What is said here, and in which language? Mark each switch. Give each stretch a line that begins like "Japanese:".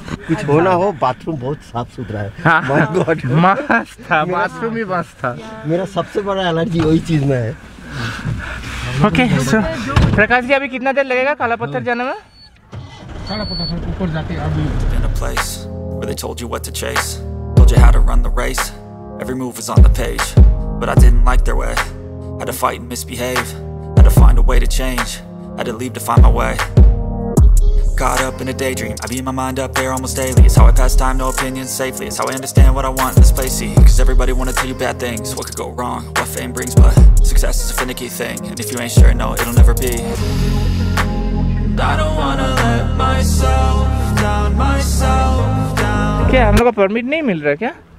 Hindi: कुछ होना हो, बाथरूम बहुत साफ सुथरा है।
English: my God,
Hindi: मस्त था बाथरूम ही, मस्त था। मेरा सबसे बड़ा एलर्जी वही चीज में है।
English: okay so
Hindi: प्रकाश जी, अभी कितना देर लगेगा काला पत्थर जाने में? काला पत्थर ऊपर जाते हैं अभी।
English: Where they told you what to chase, told you how to run the race. Every move was on the page, but I didn't like their way. Had to fight and misbehave, had to find a way to change. Had to leave to find my way. Caught up in a daydream, I beat my mind up there almost daily. It's how I pass time, no opinions safely. It's how I understand what I want in this place. See, cause everybody wanna tell you bad things. What could go wrong, what fame brings, but success is a finicky thing. And if you ain't sure, no, it'll never be. I don't wanna let myself down, myself.
Hindi: क्या हम लोग का permit नहीं मिल रहा क्या?